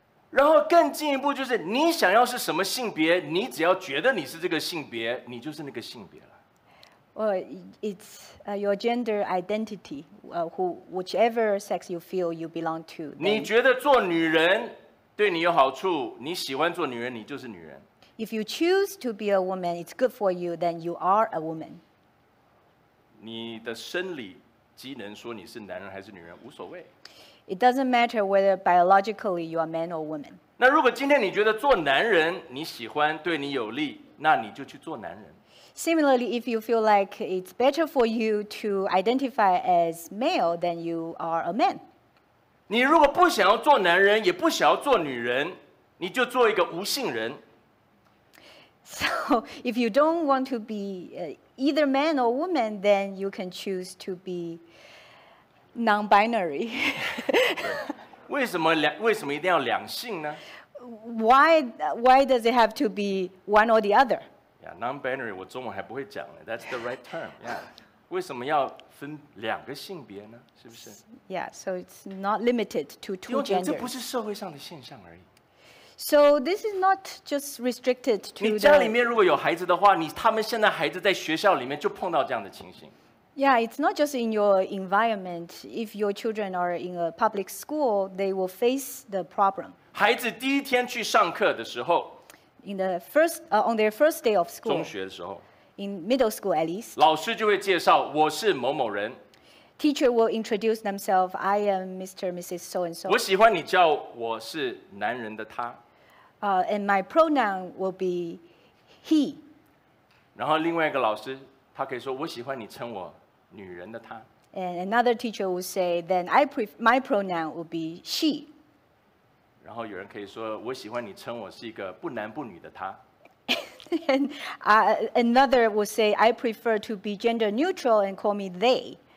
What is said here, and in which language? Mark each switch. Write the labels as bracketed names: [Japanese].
[Chinese] 然后更进一步就是，你想要是什么性别，你只要觉得你是这个性别，你就是那个性别了。 [English] Well, it's your gender identity. Whichever sex you feel you belong to. [Chinese] 你觉得做女人对你有好处，你喜欢做女人，你就是女人。 [English] If you choose to be a woman, it's good for you. Then you are a woman. [Chinese] 你的生理机能说你是男人还是女人无所谓。 [English] It doesn't matter whether biologically you are man or woman. [Chinese] 那如果今天你觉得做男人你喜欢对你有利，那你就去做男人。 [English] Similarly, if you feel like it's better for you to identify as male, then you are a man. [Chinese] 你如果不想要做男人，也不想要做女人，你就做一个无性人。 [English] So if you don't want to be either man or woman, then you can choose to be non-binary. [Chinese] 为什么一定要两性呢? [English] Why does it have to be one or the other? Yeah, non-binary, [Chinese] 我中文还不会讲呢, [English] that's the right term. Yeah. [Chinese] 为什么要分两个性别呢? 是不是? [English] Yeah, so it's not limited to two genders. [Chinese] 因为这不是社会上的现象而已。 [English] So this is not just restricted to. [Chinese] 你家里面如果有孩子的话，你他们现在孩子在学校里面就碰到这样的情形。 [English] Yeah, it's not just in your environment. If your children are in a public school, they will face the problem. [Chinese] 孩子第一天去上课的时候。 [English] In the first, on their first day of school. [Chinese] 中学的时候。 [English] In middle school at least. [Chinese] 老师就会介绍我是某某人。 [English] Teacher will introduce themselves. I am Mr. Mrs. So and so. [Chinese] 我喜欢你叫我是男人的他。 [English] And my pronoun will be he. [Chinese] 然后另外一个老师，他可以说我喜欢你称我女人的她。 [English] And another teacher will say, then my pronoun will be she. [Chinese] 然后有人可以说我喜欢你称我是一个不男不女的她。 [English] And another will say, I prefer to be gender neutral and call me they.